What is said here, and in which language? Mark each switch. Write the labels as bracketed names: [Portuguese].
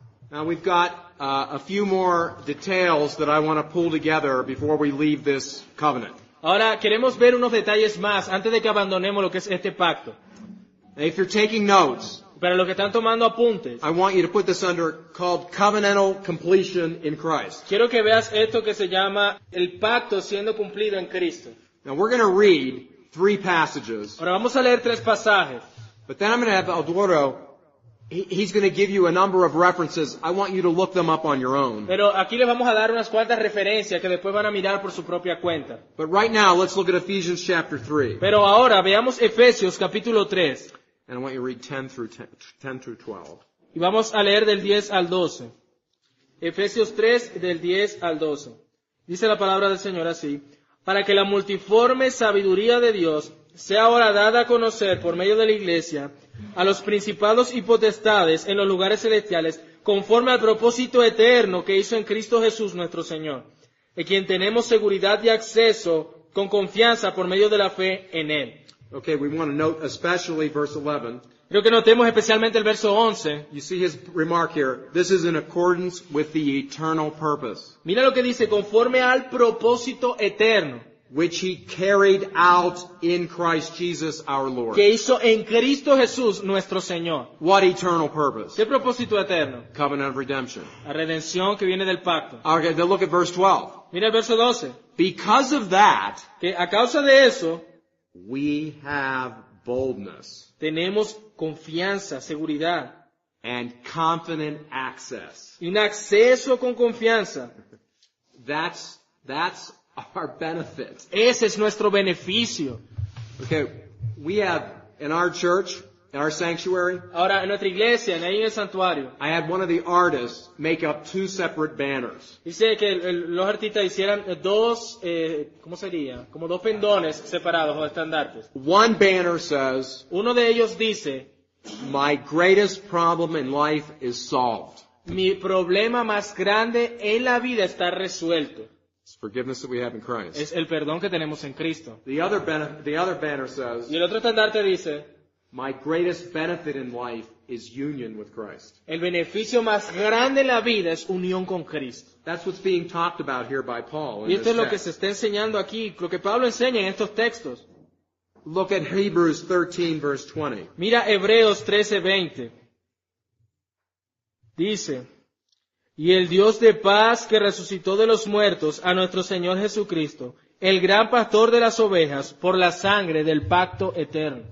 [English] Now we've got a few more details that I want to pull together before we leave this covenant. [Spanish] Ahora queremos ver unos detalles más antes de que abandonemos lo que es este pacto. [English] Now, if you're taking notes, [Spanish] para los que están tomando apuntes, [English] I want you to put this under called covenantal completion in Christ. [Spanish] Quiero que veas esto que se llama el pacto siendo cumplido en Cristo. [English] Now we're going to read three passages. [Spanish] Ahora vamos a leer tres pasajes. [English] But then I'm going to have Eduardo. He's going to give you a number of references. I want you to look them up on your own. [Spanish] Pero aquí les vamos a dar unas cuantas referencias que después van a mirar por su propia cuenta. [English] But right now, let's look at Ephesians chapter 3. [Spanish] Pero ahora veamos Efesios capítulo 3. [English] And I want you to read 10 through 12. [Spanish] Y vamos a leer del 10 al 12. Efesios 3 del 10 al 12. Dice la palabra del Señor así: para que la multiforme sabiduría de Dios sea ahora dada a conocer por medio de la iglesia a los principados y potestades en los lugares celestiales, conforme al propósito eterno que hizo en Cristo Jesús nuestro Señor, en quien tenemos seguridad y acceso con confianza por medio de la fe en Él. [English] Okay, we want to note especially verse 11. [Spanish] Creo que notemos especialmente el verso 11. [English] You see his remark here. This is in accordance with the eternal purpose. [Spanish] Mira lo que dice, conforme al propósito eterno. [English] Which he carried out in Christ Jesus our Lord. [Spanish] Que hizo en Cristo Jesús nuestro Señor. [English] What eternal purpose? [Spanish] ¿Qué propósito eterno? [English] Covenant of redemption. [Spanish] La redención que viene del pacto. [English] Okay, then look at verse 12. [Spanish] Mira el verso 12. [English] Because of that, [Spanish] que a causa de eso, [English] we have boldness. [Spanish] Tenemos confianza, seguridad. [English] And confident access. [Spanish] Y un acceso con confianza. [English] That's our benefit. [Spanish] Ese es nuestro beneficio. [English] Okay, we have in our church, in our sanctuary. [Spanish] Ahora en nuestra iglesia, ahí en el santuario. [English] I had one of the artists make up two separate banners. [Spanish] Dice que los artistas hicieran dos, ¿cómo sería? Como dos pendones separados o estandartes. [English] One banner says. [Spanish] Uno de ellos dice. [English] My greatest problem in life is solved. [Spanish] Mi problema más grande en la vida está resuelto. [English] It's forgiveness that we have in Christ. [Spanish] Es el perdón que tenemos en Cristo. [English] The other banner says. [Spanish] Y el otro estandarte dice. [English] My greatest benefit in life is union with Christ. [Spanish] El beneficio más grande en la vida es unión con Cristo. [English] That's what's being talked about here by Paul. [Spanish] Y esto es lo que se está enseñando aquí, lo que Pablo enseña en estos textos. [English] Look at Hebrews 13 verse 20. [Spanish] Mira Hebreos 13:20. Dice. Y el Dios de paz que resucitó de los muertos a nuestro Señor Jesucristo, el gran pastor de las ovejas, por la sangre del pacto eterno.